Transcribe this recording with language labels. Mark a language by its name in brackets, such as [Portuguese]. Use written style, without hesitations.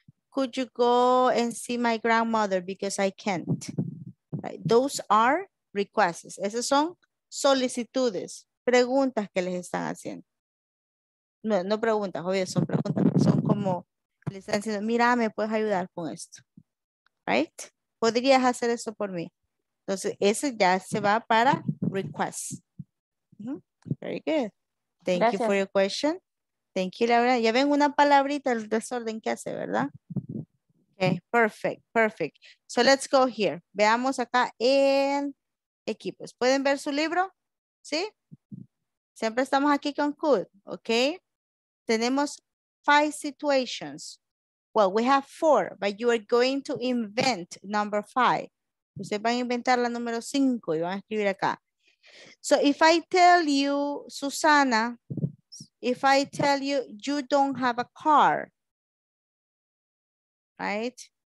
[English] Could you go and see my grandmother because I can't? Right. Those are requests. [Spanish] Esas son solicitudes, preguntas que les están haciendo. No, no preguntas, obvio, son preguntas. Son como, les están diciendo, mira, ¿me puedes ayudar con esto? Right? ¿Podrías hacer eso por mí? Entonces, ese ya se va para requests. [English] Very good. Thank [Spanish] Gracias. [English] You for your question. Thank you, Laura. [Spanish] Ya ven una palabrita, el desorden que hace, ¿verdad? [English] Okay, perfect, perfect. So, let's go here. [Spanish] Veamos acá en equipos. ¿Pueden ver su libro? ¿Sí? Siempre estamos aquí con could, ¿ok? Tenemos 5 situations. [English] Well, we have 4, but you are going to invent number 5. [Spanish] Ustedes van a inventar la número 5 y van a escribir acá. [English] So if I tell you, Susana, if I tell you, you don't have a car, right?